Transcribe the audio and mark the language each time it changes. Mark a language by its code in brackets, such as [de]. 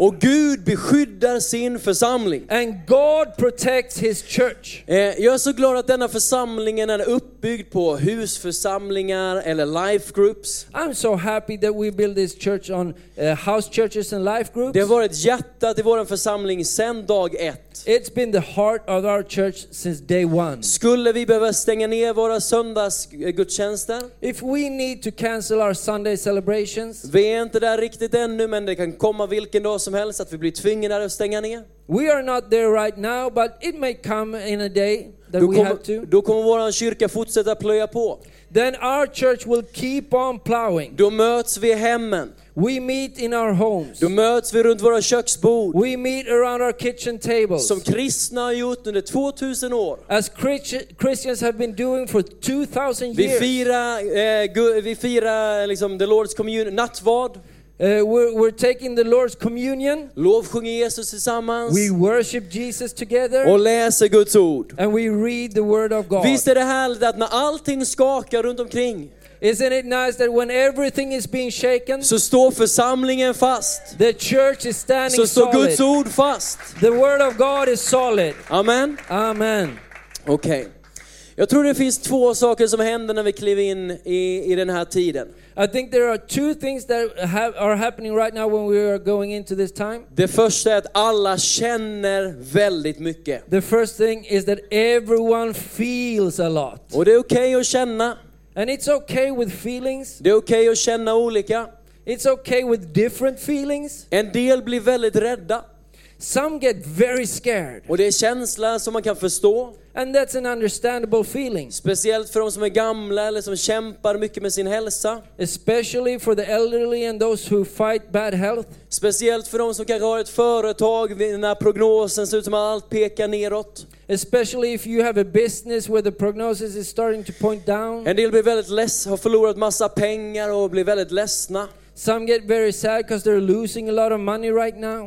[sv] Och Gud beskyddar sin församling. [en] And God protects his church. [sv] Jag är så glad att denna församlingen är uppbyggd på husförsamlingar eller life groups. [en] I'm so happy that we build this church on house churches and life groups. [sv] Det har varit hjärtat i vår församling sedan dag ett. [en] It's been the heart of our church since day one. [sv] Skulle vi behöva stänga ner våra söndags gudstjänster? [en] If we need to cancel our Sunday celebration. [sv] Vi är inte där riktigt ännu, men det kan komma vilken dag som helst att vi blir tvingade att stänga ner. [en] We are not there right now, but it may come in a day that we have to. [sv] Då kommer vår kyrka fortsätta plöja på. [en] Then our church will keep on plowing. [sv] Då möts vi hemmen. [en] We meet in our homes. [sv] Då möts vi runt våra köksbord. [en] We meet around our kitchen tables. [sv] Som kristna har gjort under 2000 år. [en] As Christians have been doing for 2000 years. [sv] Vi firar liksom [en] the Lord's communion, [sv] nattvard. [en] We're taking the Lord's communion. [sv] Lovsjunger Jesus tillsammans. [en] We worship Jesus together. [sv] Och läser Guds ord. [en] And we read the word of God. [sv] Visst är det härligt att när allting skakar runt omkring. [en] Isn't it nice that when everything is being shaken, [sv] så står församlingen fast. [en] The church is standing solid. [sv] Så står Guds ord fast. [en] The word of God is solid. [sv] Amen. [en] Amen. [sv] Okej. Jag tror det finns två saker som händer när vi kliver in i den här tiden. [en] I think there are two things that are happening right now when we are going into this time. [sv] Det första är att alla känner väldigt mycket. [en] The first thing is that everyone feels a lot. [sv] Och det är okej att känna. [en] And it's okay with feelings. [sv] Det är okej att känna olika. [en] It's okay with different feelings. [sv] En del blir väldigt rädda. [en] Some get very scared. [sv] Och det är känslor som man kan förstå. [en] And that's an understandable feeling. [sv] Speciellt för de som är gamla eller som kämpar mycket med sin hälsa. [en] Especially for the elderly and those who fight bad health. [sv] Speciellt för de som kanske har ett företag när prognosen ser ut som att allt pekar neråt. [en] Especially if you have a business where the prognosis is starting to point down. [sv] En del blir väldigt ledsna, har förlorat massa pengar och blir väldigt ledsna. [en] Some get very sad because they're losing a lot of money right now.